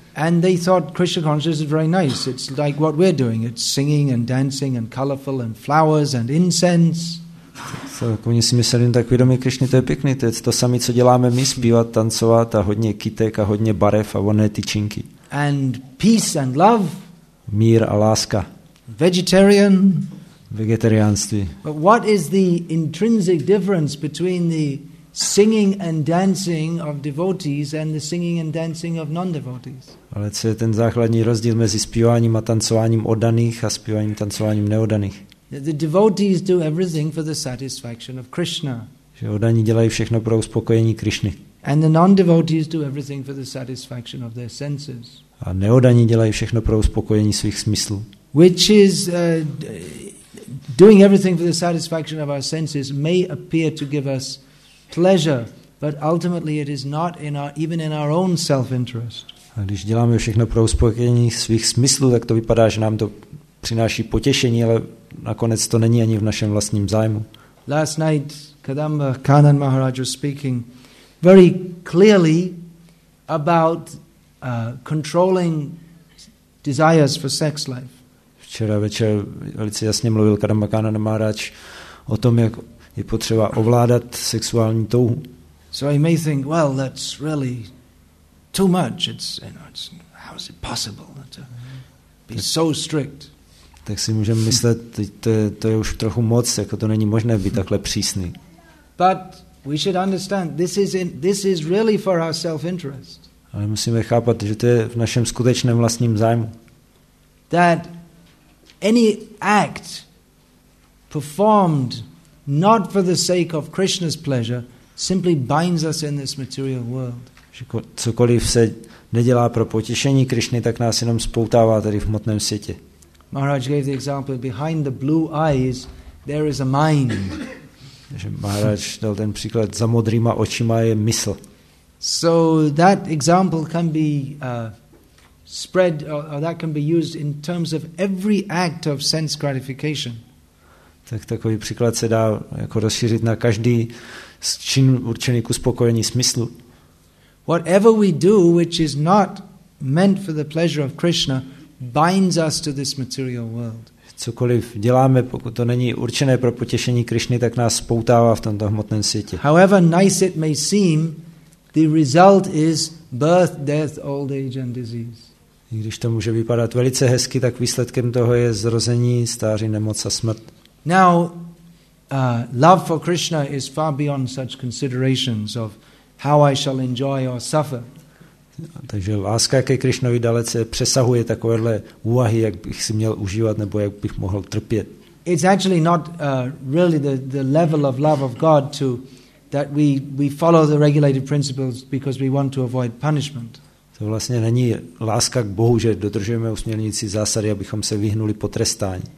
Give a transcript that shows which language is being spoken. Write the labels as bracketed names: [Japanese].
[English] And they thought Krishna consciousness is very nice. It's like what we're doing. It's singing and dancing and colorful and flowers and incense. [Czech] So, oni si mysleli, tak vědomí Krišny, to je pěkný. To je to samé, co děláme my, zpívat, tancovat a hodně kytek a hodně barev a vonné tyčinky. [English] And peace and love. [Czech] Mír a láska. [English] Vegetarian. [Czech] Vegetariánství. [English] But what is the intrinsic difference between the singing and dancing of devotees and the singing and dancing of non-devotees? [Czech] Ale co je ten základní rozdíl mezi zpíváním a tancováním oddaných a zpíváním a tancováním neoddaných? [English] The devotees do everything for the satisfaction of Krishna. [Czech] Že oddaní dělají všechno pro uspokojení Krišny. [English] And the non-devotees do everything for the satisfaction of their senses. [Czech] A neoddaní dělají všechno pro uspokojení svých smyslů. [English] Which is doing everything for the satisfaction of our senses may appear to give us pleasure, but ultimately it is not in our, even in our own self-interest. [Czech] A když děláme všechno pro uspokojení svých smyslů, tak to vypadá, že nám to přináší potěšení, ale nakonec to není ani v našem vlastním zájmu. [English] Last night Kadamba Kanan Maharaj was speaking very clearly about controlling desires for sex life. [Czech] Včera večer velice jasně mluvil Kadamba Kanan Maharaj o tom, jak je potřeba ovládat sexuální touhu. [English] So I may think, well, that's really too much. It's, you know, it's, how is it possible to be so strict? [Czech] Tak si můžeme myslet, to je už trochu moc, jako to není možné být takhle přísný. [English] But We should understand this is really for our self-interest. [Czech] Ale musíme chápat, že to je v našem skutečném vlastním zájmu. [English] That any act performed not for the sake of Krishna's pleasure simply binds us in this material world. [Czech] Cokoliv se nedělá pro potěšení Krišny, tak nás jenom spoutává tady v hmotném světě. [English] Maharaj gave the example behind the blue eyes there is a mind. [Czech] Že Maharaj dal ten příklad, za modrýma očima je mysl. [English] So that example can be spread or that can be used in terms of every act of sense gratification. [Czech] Tak takový příklad se dá jako rozšířit na každý čin určený k uspokojení smyslu. [English] Whatever we do which is not meant for the pleasure of Krishna binds us to this material world. [Czech] Cokoliv děláme, pokud to není určené pro potěšení Krišny, tak nás spoutává v tomto hmotném světě. [English] However nice it may seem, the result is birth, death, old age and disease. [Czech] I když to může vypadat velice hezky, tak výsledkem toho je zrození, stáří, nemoc a smrt. [English] Now, love for Krishna is far beyond such considerations of how I shall enjoy or suffer. [Czech] Takže láska ke Krišnovi dalece přesahuje takovéhle úvahy, jak bych si měl užívat nebo jak bych mohl trpět. [English] It's actually not really the level of love of God to that we follow the regulated principles because we want to avoid punishment. [Czech] To vlastně není láska k Bohu, že dodržujeme usměrnící zásady, abychom se vyhnuli potrestání.